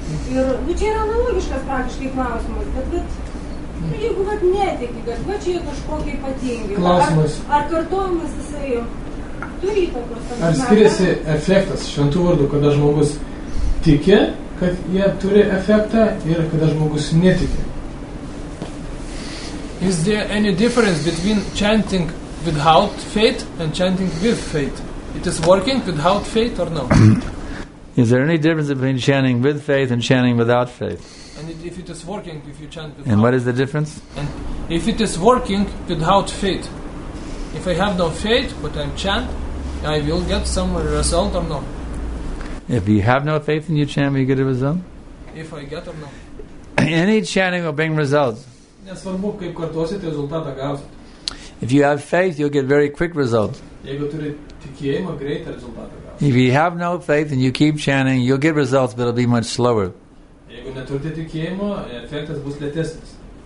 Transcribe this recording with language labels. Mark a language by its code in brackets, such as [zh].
[lt] Ir nu, čia yra analogiškas praktiškai klausimas, bet vat, nu, jeigu vat, netiki, kad va, čia kažkokie ypatingi. Klausimas. Ar kartuojamas jisai turi įtakos? Ar skiriasi efektas šventų vardų, kada žmogus tiki, kad jie turi efektą ir kada žmogus netiki. [en] Is there any difference between chanting without faith and chanting with faith? It is working without faith or no? Is there any difference between chanting with faith and chanting without faith? And if it is working, if you chant without faith. And what is the difference? And if it is working without faith. If I have no faith, but I chant, I will get some result or no? If you have no faith in your chant, will you get a result? If I get or no. Any chanting will bring results. [lt] Nesvarbu, kaip kartuosit, rezultatą gausit. [en] If you have faith, you'll get very quick results. [lt] Jeigu turi tikėjimą, greitą rezultatą gausit. [en] If you have no faith and you keep chanting, you'll get results, but it'll be much slower. [lt] Jeigu neturite tikėjimo, efektas bus lėtesnis.